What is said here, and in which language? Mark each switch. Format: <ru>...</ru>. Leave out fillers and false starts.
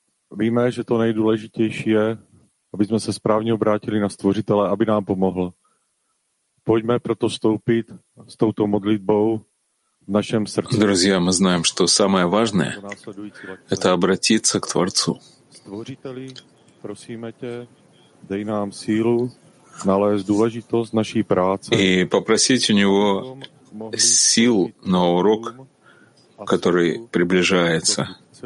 <cs>Víme, že to nejdůležitější je, aby jsme se správně obrátili na Stvořitele, aby nám pomohl. Pojďme proto stoupit s touto modlitbou v našem srdci.</cs> <ru>Друзья, мы знаем, что самое важное – это обратиться к Творцу.</ru> <cs>Stvořiteli, prosíme tě, dej nám sílu nalézt důležitost naší práce.</cs> <ru>И попросить у него сил на урок, который приближается.</ru>